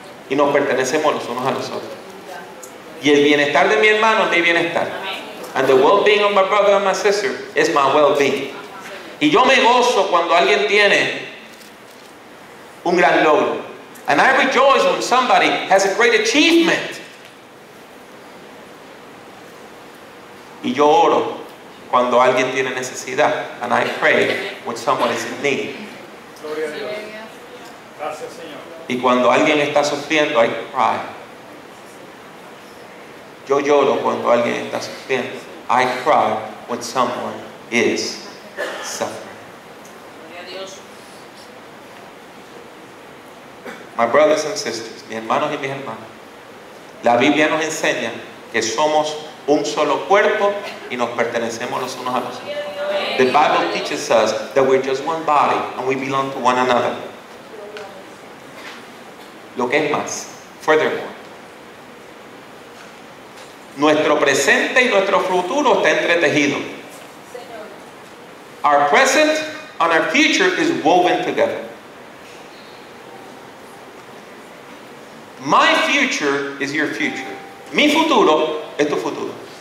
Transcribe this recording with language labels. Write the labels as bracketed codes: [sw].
[es] Y nos pertenecemos los unos a los otros. Y el bienestar de mi hermano es mi bienestar. [en] And the well-being of my brother and my sister is my well-being. [es] Y yo me gozo cuando alguien tiene un gran logro. [en] And I rejoice when somebody has a great achievement. [es] Y yo oro cuando alguien tiene necesidad. [en] And I pray when someone is in need. [es] Gloria a Dios. Gracias, Señor. Y cuando alguien está sufriendo, [en] I cry. [es] Yo lloro cuando alguien está sufriendo. [en] I cry when someone is suffering. My brothers and sisters, [es] mis hermanos y mis hermanas, la Biblia nos enseña que somos un solo cuerpo y nos pertenecemos los unos a los otros. [en] The Bible teaches us that we're just one body and we belong to one another. [es] Lo que es más, [en] furthermore, [es] nuestro presente y nuestro futuro está entretejido. [en] Our present and our future is woven together. My future is your future. [es] Mi futuro es tu futuro.